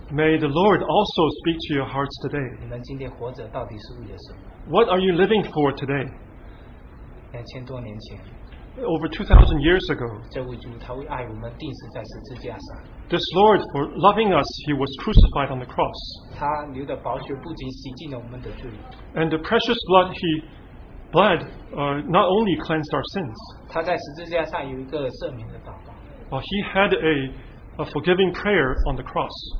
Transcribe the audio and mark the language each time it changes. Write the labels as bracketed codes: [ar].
[en] may the Lord also speak to your hearts today. [zh] 你们今天活着到底是为了什么? [en] What are you living for today? [zh] 2000多年前, [en] over 2,000 years ago, [zh] 这位主他为爱我们钉死在十字架上, [en] this Lord, for loving us, he was crucified on the cross. [zh] 他流的宝血不仅洗净了我们的罪, [en] and the precious blood he bled not only cleansed our sins, [zh] 他在十字架上有一个赦免的祷告, [en] but he had a forgiving prayer on the cross.